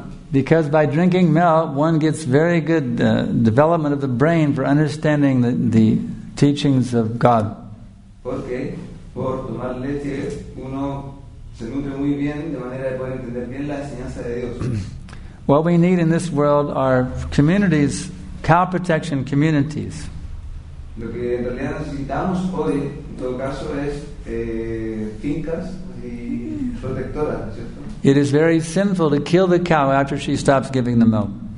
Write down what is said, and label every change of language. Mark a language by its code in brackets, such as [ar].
[en] Because by drinking milk, one gets very good development of the brain for understanding the teachings of God. [es] Porque por tomar leche uno se nutre muy bien de manera de poder entender bien la enseñanza de Dios. [en] What we need in this world are communities, cow protection communities. [es] Lo que en realidad necesitamos hoy, en todo caso, es fincas y protectoras, ¿cierto? [en] It is very sinful to kill the cow after she stops giving the milk.